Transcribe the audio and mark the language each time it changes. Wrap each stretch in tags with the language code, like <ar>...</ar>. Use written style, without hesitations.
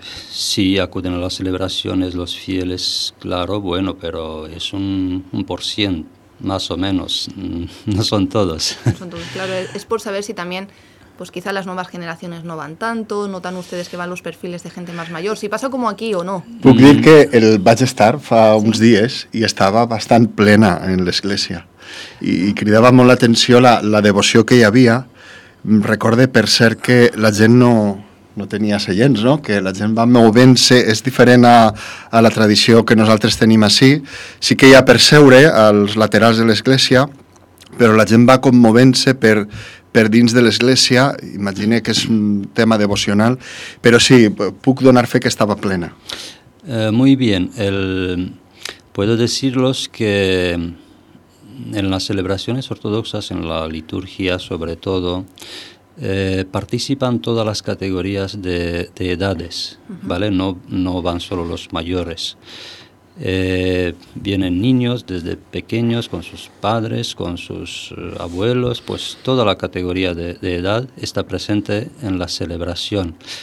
<es>Sí, acuden a las celebraciones los fieles, claro, bueno, pero es un por ciento, más o menos, no son todos. Claro, es por saber si también, pues quizá las nuevas generaciones no van tanto, notan ustedes que van los perfiles de gente más mayor, si pasa como aquí o no.</es> <ca>Puc dir que el vaig estar fa uns dies i estava bastant plena en l'església i cridava molt l'atenció la devoció que hi havia. Recorde, per cert, que la gent no tenia seients, no? Que la gent va movent-se, és diferent a la tradició que nosaltres tenim així. Sí que hi ha per seure als laterals de l'església, però la gent va com movent-se per dins de l'església. Imagine que és un tema devocional, però sí, puc donar fe que estava plena.</ca> <es>Muy bien, puedo decirlos que en las celebraciones ortodoxas, en la liturgia sobre todo, participan todas las categorías de edades, ¿vale? No van solo los mayores. Vienen niños desde pequeños con sus padres, con sus abuelos, pues toda la categoría de edad está presente en la celebración.</es>